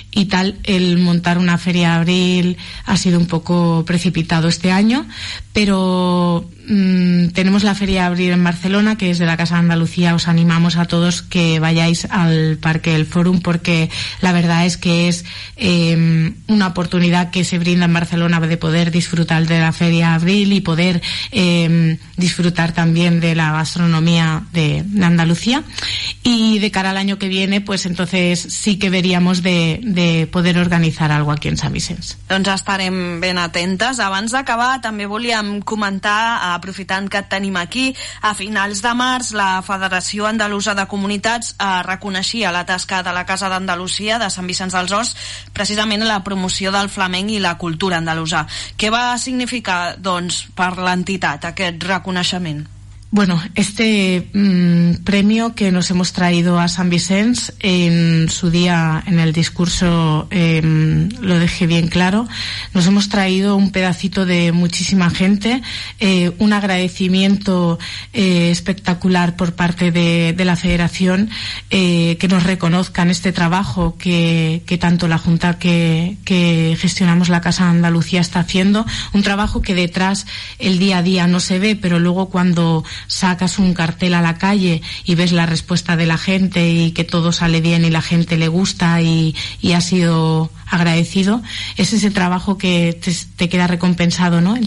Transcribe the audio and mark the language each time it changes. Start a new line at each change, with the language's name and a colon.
Spanish: tal, el montar una Feria de Abril ha sido un poco precipitado este año, pero tenemos la Feria de Abril en Barcelona, que desde la Casa de Andalucía os animamos a todos que vayáis al Parque del Fórum, porque la verdad es que es una oportunidad que se brinda en Barcelona de poder disfrutar de la Feria de Abril y poder disfrutar también de la gastronomía de Andalucía. Y de cara al año que viene, pues entonces sí que veríamos de poder organitzar algo aquí en Sant Vicenç.
Catalan: Doncs estarem ben atentes. Abans d'acabar, també volíem comentar aprofitant que et tenim aquí, a finals de març la Federació Andalusa de Comunitats reconeixia la tasca de la Casa d'Andalusia de Sant Vicenç dels Horts, precisament la promoció del flamenc i la cultura andalusa. Què va significar, doncs, per l'entitat aquest reconeixement?
Spanish: Bueno, este premio que nos hemos traído a San Vicenç, en su día, en el discurso, lo dejé bien claro, nos hemos traído un pedacito de muchísima gente, un agradecimiento espectacular por parte de la Federación, que nos reconozcan este trabajo que tanto la Junta que gestionamos la Casa de Andalucía está haciendo, un trabajo que detrás el día a día no se ve, pero luego cuando sacas un cartel a la calle y ves la respuesta de la gente y que todo sale bien y la gente le gusta y ha sido agradecido, es ese trabajo que te queda recompensado, ¿no?